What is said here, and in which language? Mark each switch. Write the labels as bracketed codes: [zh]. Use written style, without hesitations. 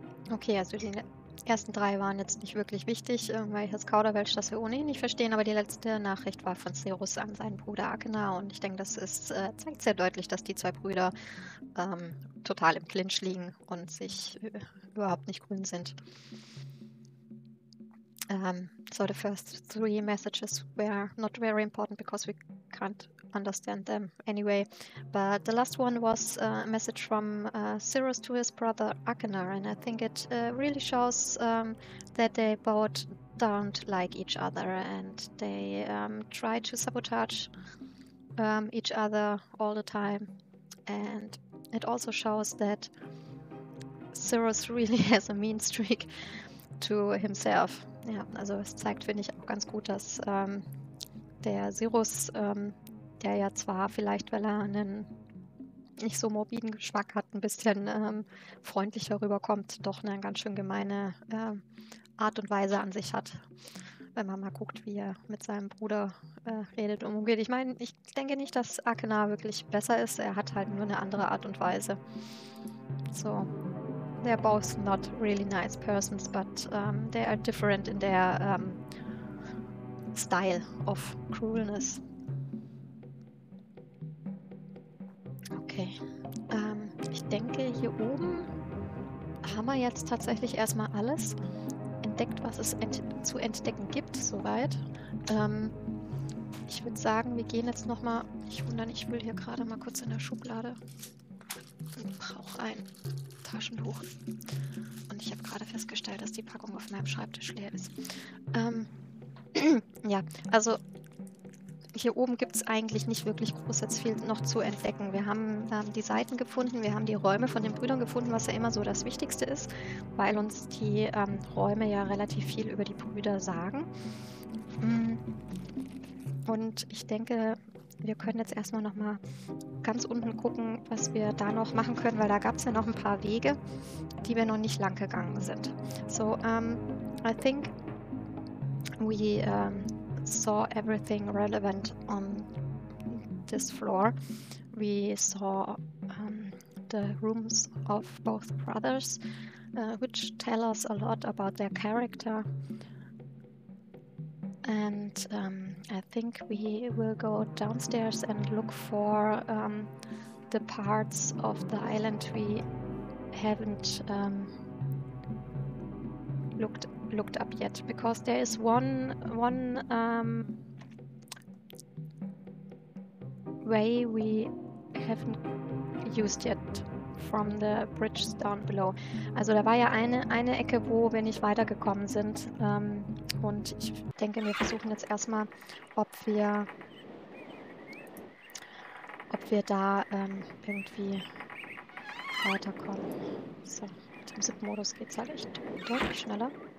[de] Okay, also die ersten drei waren jetzt nicht wirklich wichtig, weil ich als Kauderwelsch das ja ohnehin nicht verstehen, aber die letzte Nachricht war von Cirrus an seinen Bruder Agna und ich denke, das ist, zeigt sehr deutlich, dass die zwei Brüder total im Clinch liegen und sich überhaupt nicht grün sind. [en] So the first three messages were not very important because we can't understand them anyway, but the last one was a message from Cirrus to his brother Akenar, and I think it really shows that they both don't like each other and they try to sabotage each other all the time, and it also shows that Cirrus really has a mean streak to himself. [de] Ja, also es zeigt, finde ich, auch ganz gut, dass der Cirrus der ja zwar vielleicht, weil er einen nicht so morbiden Geschmack hat, ein bisschen freundlicher rüberkommt, doch eine ganz schön gemeine Art und Weise an sich hat, wenn man mal guckt, wie er mit seinem Bruder redet und umgeht. Ich meine, ich denke nicht, dass Akena wirklich besser ist. Er hat halt nur eine andere Art und Weise. [en] So, they're both not really nice persons, but they are different in their style of cruelness. [de] Okay, ich denke, hier oben haben wir jetzt tatsächlich erstmal alles entdeckt, was es zu entdecken gibt, soweit. Ich würde sagen, wir gehen jetzt nochmal, ich wundere nicht, ich will hier gerade mal kurz in der Schublade, ich brauche ein Taschentuch und ich habe gerade festgestellt, dass die Packung auf meinem Schreibtisch leer ist. ja, also hier oben gibt es eigentlich nicht wirklich groß jetzt viel noch zu entdecken. Wir haben die Seiten gefunden, wir haben die Räume von den Brüdern gefunden, was ja immer so das Wichtigste ist, weil uns die Räume ja relativ viel über die Brüder sagen. Und ich denke, wir können jetzt erstmal nochmal ganz unten gucken, was wir da noch machen können, weil da gab es ja noch ein paar Wege, die wir noch nicht lang gegangen sind. [en] So, I think we saw everything relevant on this floor. We saw the rooms of both brothers, which tell us a lot about their character. And I think we will go downstairs and look for the parts of the island we haven't looked up yet, because there is one way we haven't used yet from the bridge down below. [de] Also da war ja eine Ecke, wo wir nicht weitergekommen sind, und ich denke, wir versuchen jetzt erstmal, ob wir da irgendwie weiterkommen. So, mit dem SIP-Modus geht es halt echt deutlich schneller.